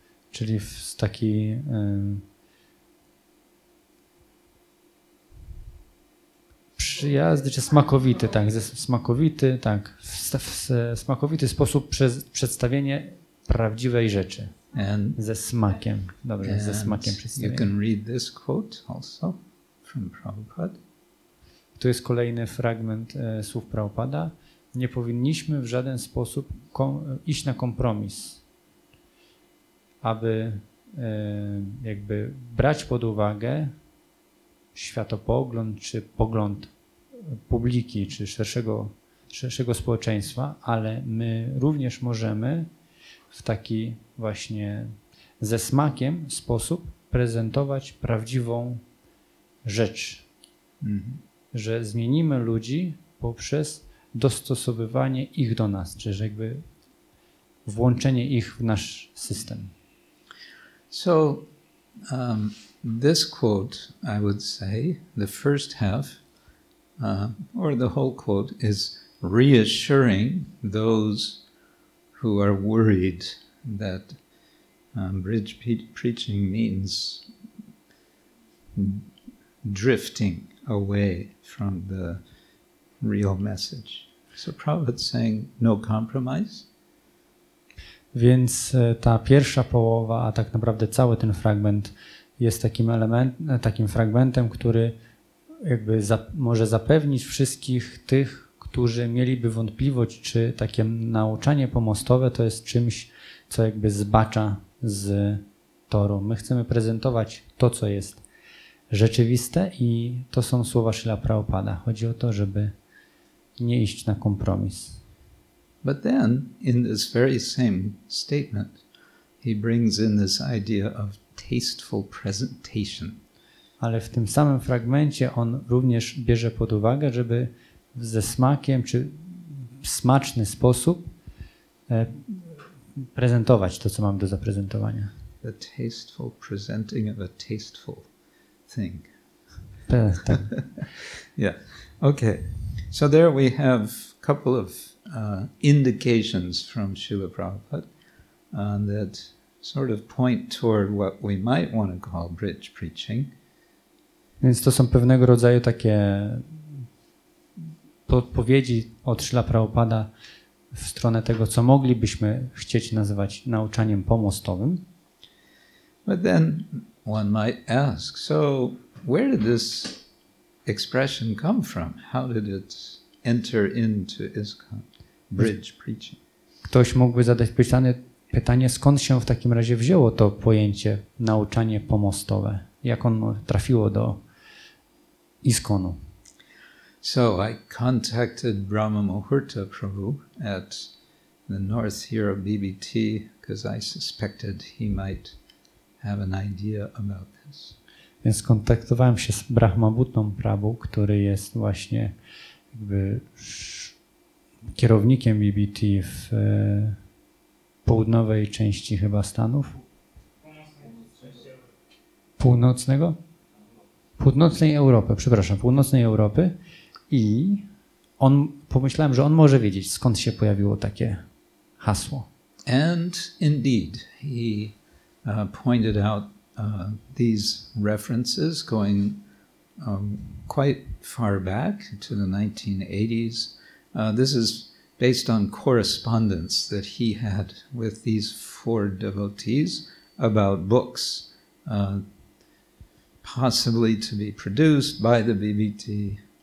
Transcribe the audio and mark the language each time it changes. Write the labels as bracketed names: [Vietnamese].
[Polish] Czyli w taki przyjazny, czy smakowity, tak, smakowity sposób przedstawienie prawdziwej rzeczy. [English] And [Polish] ze smakiem, dobrze, ze smakiem przedstawienie. [English] You can read this quote also from Prabhupada. [Polish] To jest kolejny fragment słów Prabhupada. Nie powinniśmy w żaden sposób iść na kompromis, aby jakby brać pod uwagę światopogląd czy pogląd publiki czy szerszego społeczeństwa, ale my również możemy w taki właśnie ze smakiem sposób prezentować prawdziwą rzecz, że zmienimy ludzi poprzez dostosowywanie ich do nas, czy jakby włączenie ich w nasz system. [English] So, this quote, I would say, the first half, or the whole quote, is reassuring those who are worried that bridge preaching means drifting away from the real message. So Prabhupada saying no compromise. [Polish] Więc ta pierwsza połowa, a tak naprawdę cały ten fragment jest takim elementem, takim fragmentem, który jakby może zapewnić wszystkich tych, którzy mieliby wątpliwość, czy takie nauczanie pomostowe to jest czymś, co jakby zbacza z toru. My chcemy prezentować to, co jest rzeczywiste i to są słowa Śrila Prabhupada. Chodzi o to, żeby nie iść na kompromis. [English] But then, in this very same statement, he brings in this idea of tasteful presentation. [Polish] Ale w tym samym fragmencie on również bierze pod uwagę, żeby ze smakiem czy w smaczny sposób prezentować to, co mam do zaprezentowania. [English] The tasteful presenting of a tasteful thing. Yeah, okay. So there we have a couple of indications from Śrīla Prabhupāda that sort of point toward what we might want to call bridge preaching. [Polish] Więc to są pewnego rodzaju takie podpowiedzi od Śrīla Prabhupāda w stronę tego, co moglibyśmy chcieć nazywać nauczaniem pomostowym. [English] But then one might ask, so where did this expression come from? How did it enter into ISKCON? Bridge preaching. [Polish] Ktoś mógłby zadać pytanie, skąd się w takim razie wzięło to pojęcie nauczanie pomostowe? Jak ono trafiło do ISKCON-u? [English] So I contacted Brahma Muhurta Prabhu at the North here of BBT because I suspected he might have an idea about this. [Polish] Więc kontaktowałem się z Brahmabhutą Prabhu, który jest właśnie jakby kierownikiem BBT w południowej części chyba Stanów. Północnego? Północnej Europy, przepraszam, północnej Europy. I on, pomyślałem, że on może wiedzieć, skąd się pojawiło takie hasło. [English] And indeed, he pointed out these references going quite far back to the 1980s. This is based on correspondence that he had with these four devotees about books possibly to be produced by the BBT.